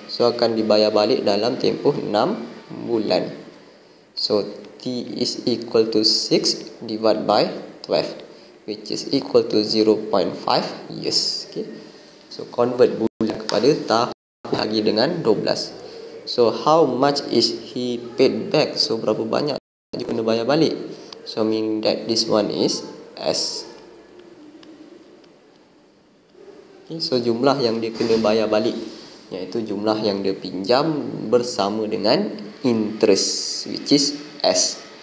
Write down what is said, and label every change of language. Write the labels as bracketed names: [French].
[Malay] So akan dibayar balik dalam tempoh 6 bulan. [English] So T is equal to 6 divide by 12, which is equal to 0.5 years. [Malay] Okay, so convert bulan kepada tahun bahagi dengan 12. [English] So how much is he paid back? So [Malay] berapa banyak dia kena bayar balik? [English] So mean that this one is S. [Malay] Okay, so jumlah yang dia kena bayar balik, iaitu jumlah yang dia pinjam bersama dengan interest, [English] which is S.